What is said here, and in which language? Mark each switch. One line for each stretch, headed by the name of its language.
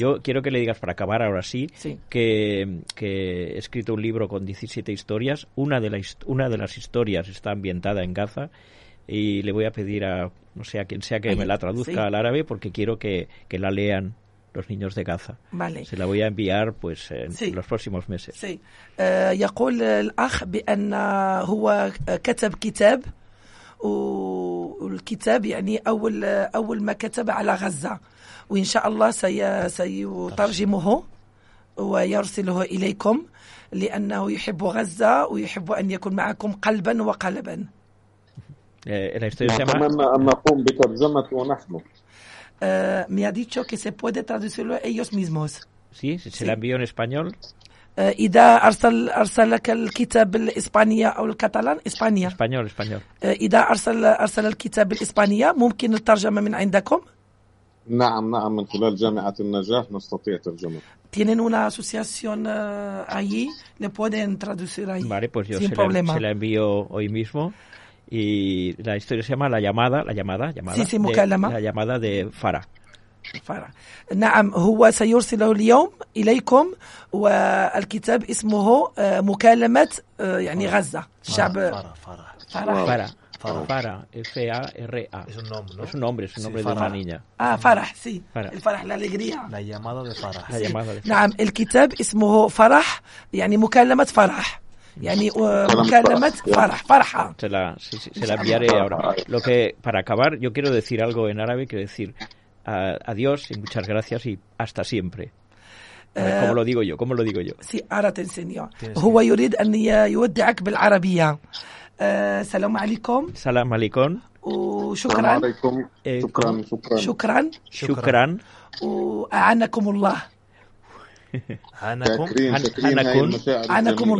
Spanish: Yo quiero que le digas, para acabar ahora sí, que he escrito un libro con 17 historias. Una de las historias está ambientada en Gaza, y le voy a pedir a, no sé, a quien sea que me la traduzca al árabe, porque quiero que la lean los niños de Gaza. Vale. Se la voy a enviar pues en los próximos meses. Sí.
Arabic: يقول الأخ بأن هو كتب كتاب، والكتاب يعني أول ما كتب على غزة، وإن شاء الله سيترجمه ويرسله إليكم، لأنه يحب غزة ويحب أن يكون معكم قلبا وقلبا. نتمنى أن نقوم بترجمته نحن.
Spanish: me ha dicho que se puede traducirlo ellos mismos. Sí, se sí. La envió en español.
Arabic: Ida arsal el kitab
Spanish: en España o el catalán, España. Español, español.
Arabic: Ida arsal el kitab
Spanish: en España,
Arabic: ممكن الترجمه من عندكم؟ نعم نعم من خلال جامعه النجاح نستطيع ترجمه.
Spanish: Tienen una asociación allí, le pueden traducir ahí. Vale, pues yo se la envío hoy mismo. Y la historia se llama La llamada. Sí, sí,
Arabic: mukalama.
Spanish: La llamada de Farah. Farah.
Arabic: نعم هو سيرسله اليوم اليكم والكتاب اسمه مكالمة يعني غزة شعب
Spanish: Farah. Es un nombre sí, de una niña. Ah, Farah, sí. El Farah, la alegría. La llamada de Farah. La llamada de
Arabic: Farah. نعم el kitab اسمه Farah يعني مكالمة Farah. يعني مكالمة فرح فرحة
Spanish: se la enviaré ahora. Lo que para acabar yo quiero decir algo en árabe, quiero decir adiós y muchas gracias y hasta siempre. ¿Cómo lo digo yo? Sí, ahora te enseño.
Arabic: هو يريد أن يودعك بالعربية. سلام عليكم. سلام عليكم. وشكراً. عليكم. شكراً. شكراً. شكراً. وأعانكم الله. Hanakum